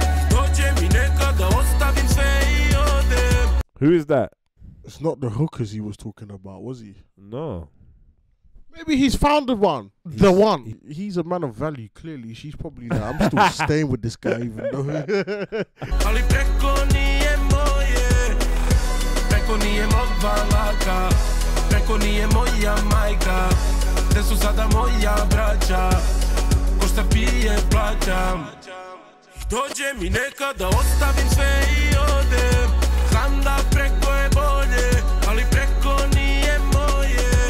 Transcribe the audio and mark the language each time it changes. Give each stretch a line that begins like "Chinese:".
Serbian: Dođe mi neka da ostavim sve i odem.
English: Who is that? It's not the hookers he was talking about, was he? No. Maybe he's found the one. He's a man of value, clearly. She's probably there. I'm still staying with this guy, even though.
Serbian: Ali preko nije moje, preko nije mog balaka, preko nije moja majka, gde su sada moja braća, ko šta pije plaćam. Dođe mi neka da ostavim sve I odem, znam da preko je bolje, ali preko nije moje.